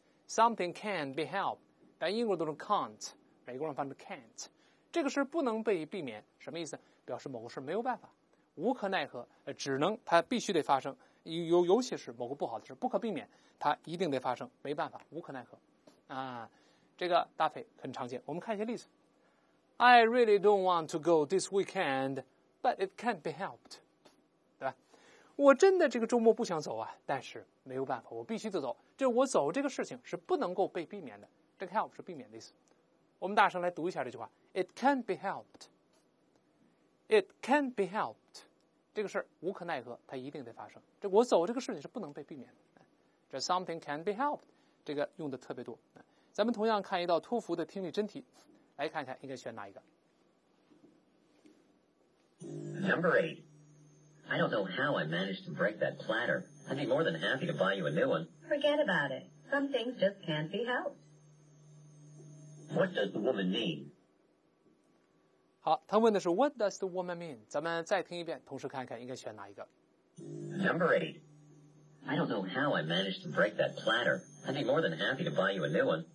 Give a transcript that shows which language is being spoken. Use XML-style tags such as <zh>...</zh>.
<en>Something can be helped，</en> <zh>但英国都是 can't， 美国人翻译 can't， 这个事不能被避免，什么意思？表示某个事没有办法，无可奈何，只能它必须得发生，尤其是某个不好的事不可避免，它一定得发生，没办法，无可奈何啊。这个搭配很常见，我们看一些例子。</zh> <en>I really don't want to go this weekend, but it can't be helped.</en> <zh>对吧？我真的这个周末不想走啊，但是没有办法，我必须得走。就我走这个事情是不能够被避免的，这个 help 是避免的意思。我们大声来读一下这句话。</zh> <en>It can't be helped. It can't be helped.</en> <zh>这个事无可奈何，它一定得发生。这我走这个事情是不能被避免的。这</zh> <en>something can be helped,</en> <zh>这个用的特别多。咱们同样看一道托福的听力真题，来看一下应该选哪一个。</zh> <en>Number 8. I don't know how I managed to break that platter. I'd be more than happy to buy you a new one. Forget about it. Some things just can't be helped. What does the woman mean?</en> <zh>好，他问的是</zh> <en>What does the woman mean?</en> <zh>咱们再听一遍，同时看一看应该选哪一个。</zh> <en>Number 8. I don't know how I managed to break that platter. I'd be more than happy to buy you a new one.</en>